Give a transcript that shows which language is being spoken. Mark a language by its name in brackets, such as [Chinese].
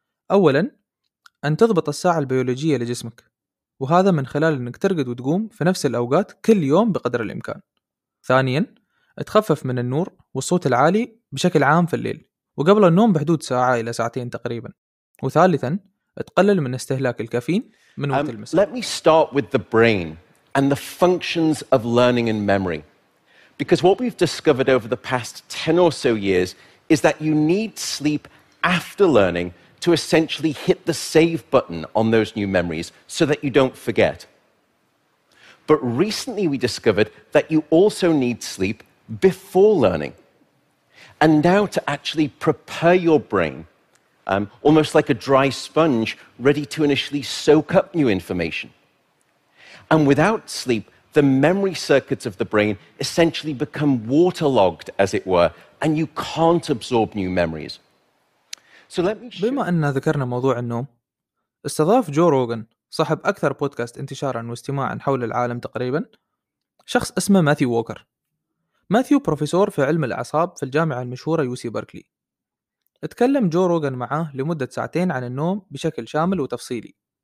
[Arabic] أولا، أن تضبط الساعة البيولوجية لجسمك، وهذا من خلال أنك ترقد وتقوم في نفس الأوقات كل يوم بقدر الإمكان. ثانيا، تخفف من النور والصوت العالي بشكل عام في الليل وقبل النوم بحدود ساعة إلى ساعتين تقريبا. وثالثا تقلل من استهلاك الكافيين من وقت المساء. [English] Let me start with the brain and the functions of learning and memory. Because what we've discovered over the past 10 or so years is that you need sleep after learning to essentially hit the save button on those new memories so that you don't forget. But recently we discovered that you also need sleep before learning. And now to actually prepare your brain, almost like a dry sponge, ready to initially soak up new information. And without sleep, the memory circuits of the brain essentially become waterlogged, as it were, and you can't absorb new memories. So let me show... [Arabic] بما أننا ذكرنا موضوع النوم، استضاف جو روغن، صاحب أكثر بودكاست انتشاراً واستماعاً حول العالم تقريباً، شخص اسمه ماثيو ووكر. ماثيو بروفيسور في علم الأعصاب في الجامعة المشهورة يوسي بيركلي. اتكلم جو روغن معاه لمدة ساعتين عن النوم بشكل شامل وتفصيلي.